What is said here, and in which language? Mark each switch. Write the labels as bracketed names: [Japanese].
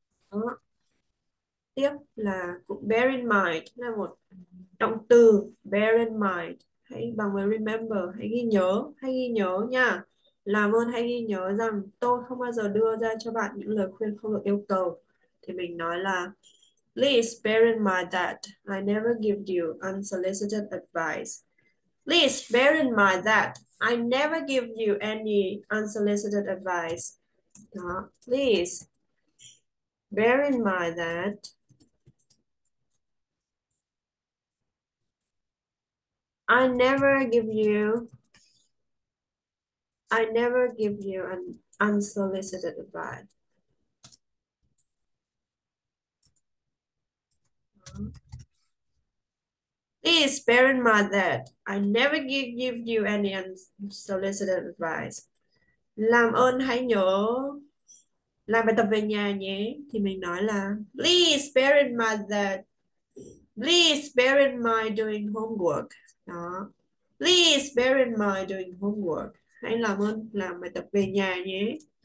[Vietnamese] Đó. Tiếp là cụm bear in mind, là một động từ bear in mind. Hãy bằng với remember, hãy ghi nhớ nha. Làm ơn hãy ghi nhớ rằng tôi không bao giờ đưa ra cho bạn những lời khuyên không được yêu cầu. Thì mình nói là [English] please bear in mind that I never give you unsolicited advice. Please bear in mind that I never give you any unsolicited advice. Đó. Please bear in mind that I never give you an unsolicited advice. Please bear in mind that I never give you any unsolicited advice. [Vietnamese] Làm ơn hãy nhớ làm bài tập về nhà nhé. Thì mình nói là [English] please bear in mind that. Please bear in mind doing homework. Đó. Please bear in mind doing homework. [Vietnamese] Hãy làm ơn làm bài tập về nhà nhé.